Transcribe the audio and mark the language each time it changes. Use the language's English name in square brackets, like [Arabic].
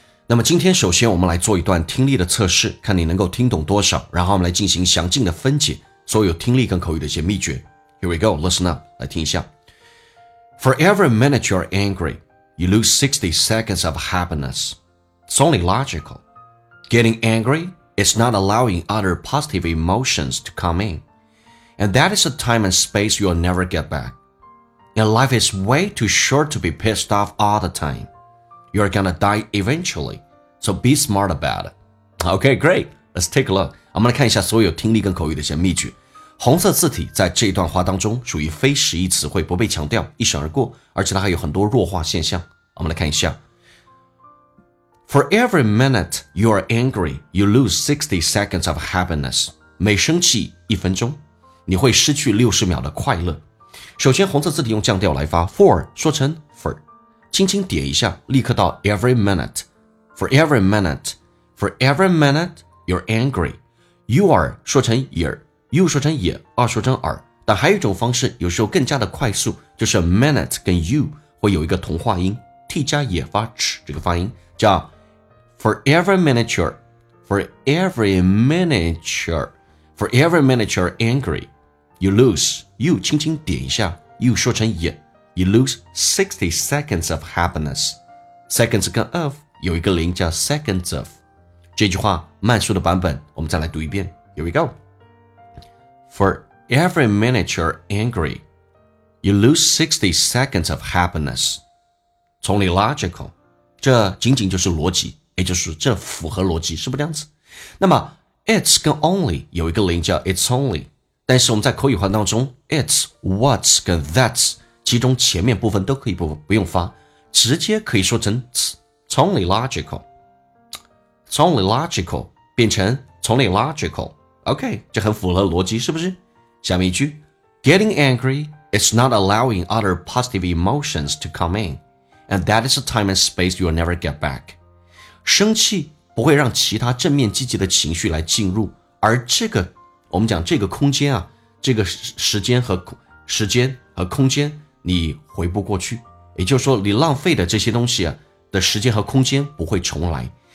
[Chinese] 那么今天首先我们来做一段听力的测试，看你能够听懂多少，然后我们来进行详尽的分解所有听力跟口语的一些秘诀。 [English] Here we go, listen up, [Chinese] 来听一下。 [English] For every minute you're angry, you lose 60 seconds of happiness. It's only logical. Getting angry is not allowing other positive emotions to come in. And that is a time and space you'll never get back. And life is way too short to be pissed off all the time. You're gonna die eventually, so be smart about it. Okay, great. Let's take a look. [Chinese] 我们来看一下所有听力跟口语的一些秘诀。红色字体在这段话当中属于非实义词汇，不被强调，一闪而过，而且它还有很多弱化现象。我们来看一下。 [English] For every minute you are angry, you lose 60 seconds of happiness. [Chinese] 每生气一分钟。你会失去60秒的快乐。首先红色字体用降调来发 for 说成 for， 轻轻点一下立刻到 every minute， for every minute， [English] for every minute you're angry， [Chinese] you are 说成 year， you 说成 year， 二说成 are。但还有一种方式有时候更加的快速，就是 minute 跟 you 会有一个同化音 t 加也发 ch 这个发音，叫 for every minute， for every minute，For every minute you're angry, you lose, you 轻轻点一下 you 说成 ye, [English] you lose 60 seconds of happiness. [Chinese] Seconds 跟 of 有一个零叫 seconds of. 这句话慢速的版本我们再来读一遍。 [English] Here we go. For every minute you're angry, you lose 60 seconds of happiness. It's only logical. [Chinese] 这仅仅就是逻辑，也就是这符合逻辑，是不是这样子？那么It's 跟 only 有一个零叫 it's only， 但是我们在口语化当中 it's what's 跟 that's 其中前面部分都可以 不用发，直接可以说成 [English] it's only logical， [Chinese] it's only logical 变成 it's only logical， OK， 这很符合逻辑是不是？下面一句 [English] Getting angry is not allowing other positive emotions to come in and that is a time and space you'll never get back。 [Chinese] 生气不会让其他正面积极的情绪来进入，而这个我们讲这个空间啊，这个时间和空间你回不过去，也就是说你浪费的这些东西啊的时间和空间不会重来。